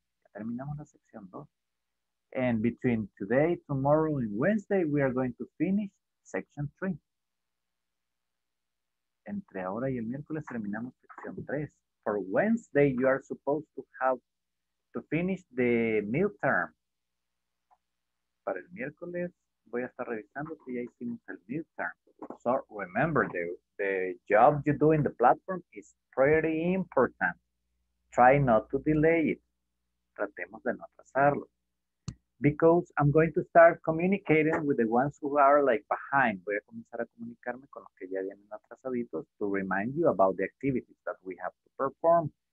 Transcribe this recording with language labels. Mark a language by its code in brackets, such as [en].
[es] Ya terminamos la sección 2. [en] And between today, tomorrow, and Wednesday, we are going to finish section 3. [es] Entre ahora y el miércoles terminamos sección 3. [en] For Wednesday, you are supposed to have to finish the midterm. [es] Para el miércoles, voy a estar revisando si ya hicimos el midterm. [en] So remember, the job you do in the platform is pretty important. Try not to delay it. [es] Tratemos de no atrasarlo. [en] Because I'm going to start communicating with the ones who are like behind. [es] Voy a comenzar a comunicarme con los que ya vienen atrasaditos [en] to remind you about the activities that we have to perform.